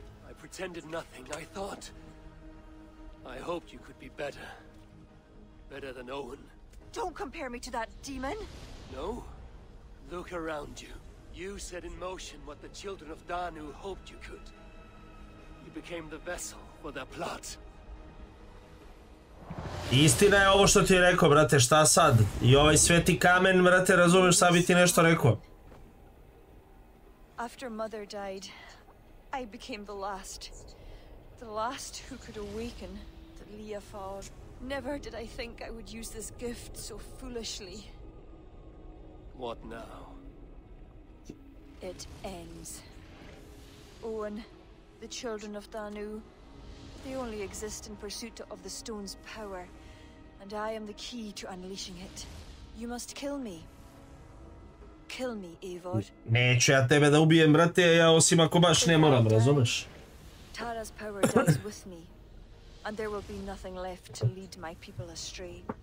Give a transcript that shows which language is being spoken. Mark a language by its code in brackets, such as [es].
[en] I pretended nothing, I thought. I hoped you could be better. Better than Owen. Don't compare me to that demon! No? Look around you. You set in motion what the children of Danu hoped you could. You became the vessel for their plot. [sr] Istina je ovo što ti je rekao, brate, šta sad? I ovaj sveti kamen, brate, razumeš, sad bi ti nešto rekao. [en] After mother died, I became the last. The last who could awaken the Leofar. Never did I think I would use this gift so foolishly. What now? It ends. Owen, the children of Danu, they only exist in pursuit of the stone's power, and I am the key to unleashing it. You must kill me. Kill me, Eivor. [sr] Neću ja tebe da ubijem, brate, ja osim ako baš ne moram, razumeš? [en] Tara's power dies with me, and there will be nothing left to lead my people astray.